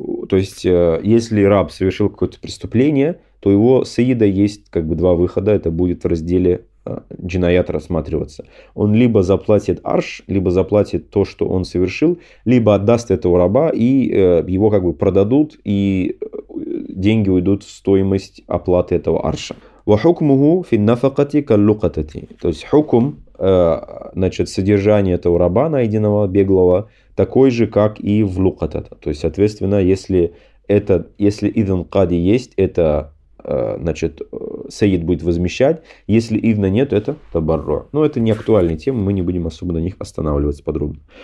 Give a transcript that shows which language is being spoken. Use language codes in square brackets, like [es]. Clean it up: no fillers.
[ru] То есть, если раб совершил какое-то преступление, то его саида есть как бы два выхода. Это будет в разделе джинаят рассматриваться. Он либо заплатит арш, либо заплатит то, что он совершил, либо отдаст этого раба, и его как бы продадут, и деньги уйдут в стоимость оплаты этого арша. [ar] وحكمه في النفقه كاللقطه. [ru] То есть хукм, значит, содержание этого раба, найденного беглого, такой же, как и в луката. То есть, соответственно, если это, если идн кади есть, это значит, саид будет возмещать. Если идна нет, это табарро. Но это не актуальная тема, мы не будем особо на них останавливаться подробно.